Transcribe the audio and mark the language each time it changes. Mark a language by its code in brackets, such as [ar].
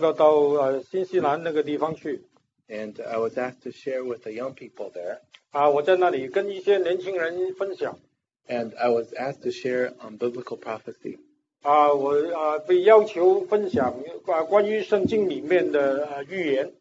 [zh] 最近神给我一个很好的权利，能够到新西兰那个地方去。 [en] And I was asked to share with the young people there. [zh] 我在那里跟一些年轻人分享。 [en] And I was asked to share on biblical prophecy. [zh] 我被要求分享关于圣经里面的预言。